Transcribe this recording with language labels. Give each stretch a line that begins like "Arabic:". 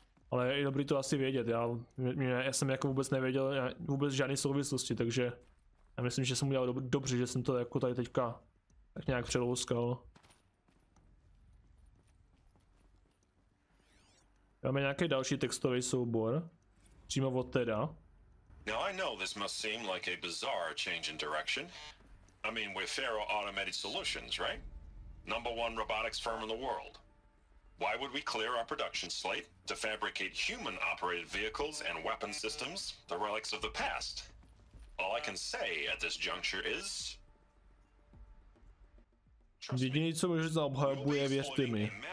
Czech: Ale je dobrý to asi vědět, já jsem jako vůbec nevěděl vůbec žádný souvislosti, takže... Já myslím, že jsem udělal dobře, že jsem to jako tady teďka tak nějak přelouskal. Máme nějaký další textový soubor. Přímo od teda.
English: Now, I know this must seem like a bizarre change in direction. I mean, we're Faro Automated Solutions, right? Number one robotics firm in the world. Why would we clear our production slate to fabricate human-operated vehicles and weapon systems, the relics of the past? All I can say at this juncture is...
Czech: Jediný, co můžeš zaobhajovat, je věřte mi.